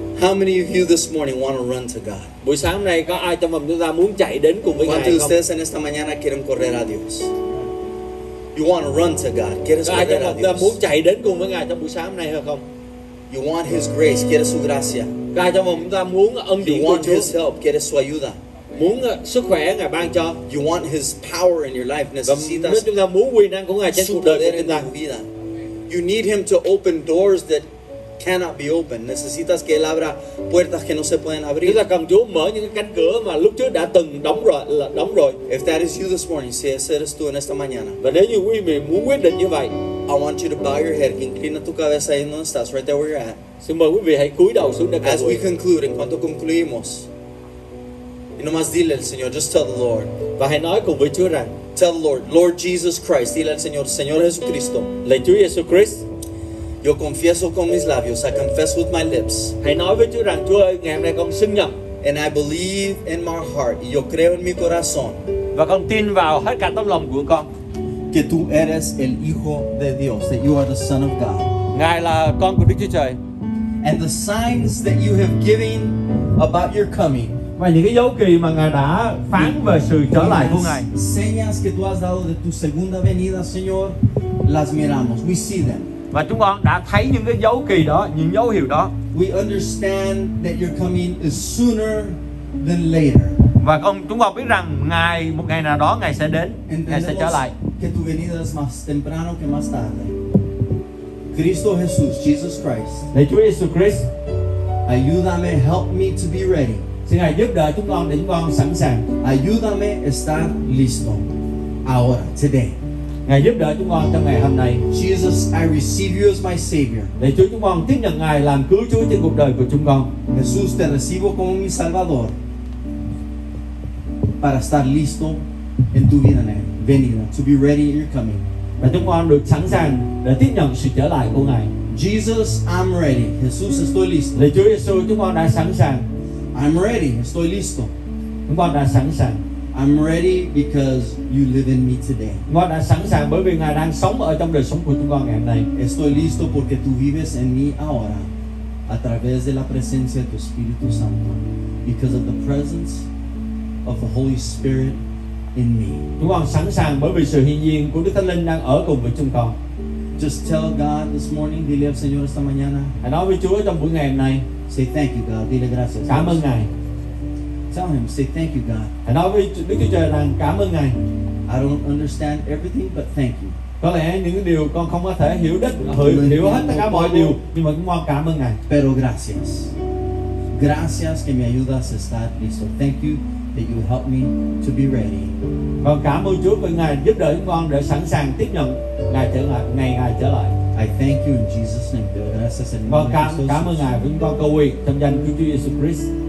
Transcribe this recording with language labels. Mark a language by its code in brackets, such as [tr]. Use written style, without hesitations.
[en] How many of you this morning want to run to God? [vi] Buổi sáng nay có ai trong chúng ta muốn chạy đến cùng với ngài không? [es] ¿Cuántos de ustedes en esta mañana quieren correr a Dios? [en] You want to run to God. [es] Quieres correr a Dios. [en] Ai [vi] trong chúng ta muốn chạy đến cùng với ngài trong buổi sáng hôm nay hay không? [en] You want his grace. [es] Quieres su gracia. [vi] Ai trong chúng ta muốn ân điển của Chúa. [en] You want his help. [es] Quieres su ayuda. [vi] Muốn sức khỏe ngài ban cho. [en] You want his power in your life. Necesitas. [vi] Chúng ta muốn quyền năng của ngài trên cuộc đời của chúng ta. [en] You need him to open doors that cannot be open. [es] Necesitas que él abra puertas que no se pueden abrir. [vi] Chúng ta cần Chúa mở những cánh cửa mà lúc trước đã từng đóng rồi. [en] If that is you this morning, [es] si ese eres tú en esta mañana. [vi] Và nếu như quý vị muốn quyết định như vậy, [en] I want you to bow your head, [es] inclina tu cabeza y no estás [en] right there where you're at. [vi] Xin mời quý vị hãy cúi đầu xuống để cầu. [en] As we conclude, [es] en cuanto concluimos, y nomás dile al Señor, [en] just tell the Lord. [vi] Và hãy nói cùng với Chúa rằng, [en] tell the Lord, Lord Jesus Christ, [es] dile al Señor, Señor Jesucristo. [vi] Lạy Chúa Jesucristo. [es] Yo confieso con mis labios, [en] I confess with my lips. [vi] Hãy nói với Chúa rằng, Chúa ơi, ngày hôm nay con xin nhận. [en] And I believe in my heart, [es] yo creo en mi corazón. [vi] Và con tin vào hết cả tâm lòng của con. [es] Que tú eres el Hijo de Dios, [en] that you are the Son of God. [vi] Ngài là con của Đức Chúa Trời. [en] And the signs that you have given about your coming. [vi] Và những cái dấu kỳ mà Ngài đã phán về sự trở lại của Ngài. [es] Señas que tú has dado de tu segunda venida, Señor, las miramos, [en] we see them. [vi] Và chúng con đã thấy những cái dấu kỳ đó, những dấu hiệu đó. [en] We understand that your coming is sooner than later. [vi] Và chúng con biết rằng ngày một ngày nào đó ngài sẽ đến, ngài sẽ trở lại. [es] Que tu venida es más temprano que más tarde. Cristo Jesús, Jesus Christ. [vi] Lạy Chúa Jesus Christ. [es] Ayúdame, [en] help me to be ready. [vi] Xin ngài giúp đỡ chúng con để chúng con sẵn sàng. [es] Ayúdame estar listo ahora, [en] today. [vi] Ngài giúp đỡ chúng con trong ngày hôm nay. [en] Jesus, I receive you as my savior. [vi] Lạy Chúa, chúng con tiếp nhận ngài làm cứu Chúa trên cuộc đời của chúng con. [es] Jesús, te recibo como mi salvador. Para estar listo en tu venida, [en] to be ready in your coming. [vi] Và chúng con được sẵn sàng để tiếp nhận sự trở lại của ngài. [en] Jesus, I'm ready. [es] Jesús, estoy listo. [vi] Lạy Chúa Jesús, chúng con đã sẵn sàng. [en] I'm ready. [es] Estoy listo. [vi] Chúng con đã sẵn sàng. [en] I'm ready because you live in me today. [vi] Ngài đã sẵn sàng bởi vì Ngài đang sống ở trong đời sống của chúng con ngày hôm nay. [es] Estoy listo porque tú vives en mí ahora a través de la presencia de tu Espíritu Santo. [en] Because of the presence of the Holy Spirit in me. [vi] Chúng con sẵn sàng bởi vì sự hiện diện của Đức Thánh Linh đang ở cùng với chúng con. [en] Just tell God this morning, [es] dile al Señor esta mañana. [vi] Hãy nói với Chúa trong buổi ngày hôm nay. [en] Say thank you, God. [es] Dile gracias. [vi] Cảm ơn Ngài. [en] Tell him, say thank you, God. [vi] Hãy nói với Đức Chúa Trời rằng cảm ơn Ngài. [en] I don't understand everything, but thank you. [vi] Có lẽ những điều con không có thể hiểu đất, hiểu hết tất cả mọi điều, nhưng mà cũng mong cảm ơn Ngài. [es] Pero gracias. Gracias que me ayudas a estar listo. [en] Thank you that you help me to be ready. [vi] Con cảm ơn Chúa vì Ngài giúp đỡ chúng con để sẵn sàng tiếp nhận Ngài trở lại, ngày Ngài trở lại. [en] I thank you in Jesus' name. [es] Pero gracias en nombre de Jesús. [vi] Con cảm ơn Ngài vì chúng con cầu nguyện trong danh của Chúa Jesus Christ.